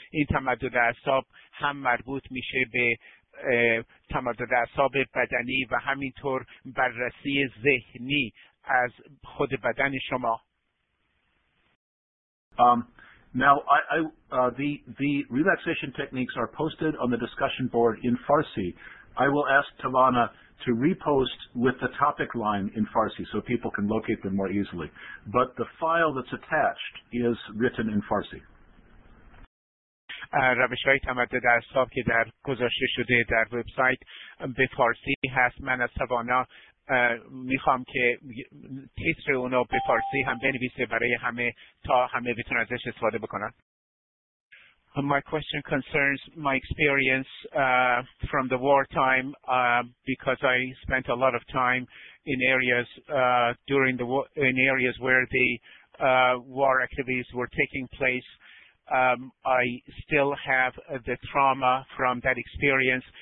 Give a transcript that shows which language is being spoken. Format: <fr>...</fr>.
<fa>این تمدد اعصاب هم مربوط میشه به تمدد اعصاب بدنی و همینطور بررسی ذهنی از خود بدن شما.</fa> <en>Now the relaxation techniques are posted on the discussion board in Farsi. I will ask Tavana to repost with the topic line in Farsi so people can locate them more easily. But the file that's attached is written in Farsi.</en> <fa>روش‌های تمدد اعصاب که در گذاشته شده در وبسایت به فارسی هست. من از توانا میخوام که تیتر اونو به فارسی هم بنویسه برای همه تا همه بتونن ازش استفاده بکنن.</fa> <en>My question concerns my experience from the wartime because I spent a lot of time in areas during the war, in areas where the war activities were taking place. I still have the trauma from that experience.</en>